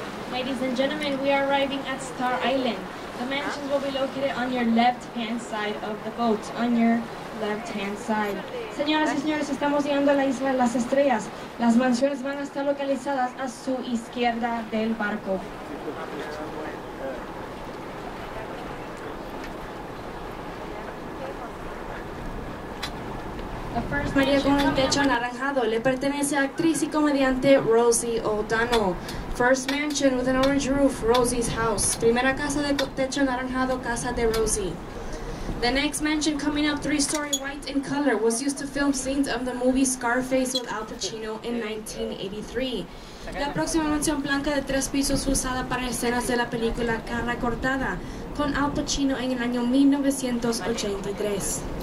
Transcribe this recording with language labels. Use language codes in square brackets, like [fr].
[en] Ladies and gentlemen, we are arriving at Star Island. The mansions will be located on your left-hand side of the boat, on your left-hand side. [es] Señoras y señores, estamos llegando a la isla de las estrellas. Las mansiones van a estar localizadas a su izquierda del barco. María con un techo anaranjado le pertenece a actriz y comediante Rosie O'Donnell. [en] First mansion with an orange roof, Rosie's house. [es] Primera casa de techo anaranjado, casa de Rosie. [en] The next mansion coming up, three-story white in color, was used to film scenes of the movie Scarface with Al Pacino in 1983. [es] La próxima mansión blanca de tres pisos usada para escenas de la película Cara Cortada con Al Pacino en el año 1983.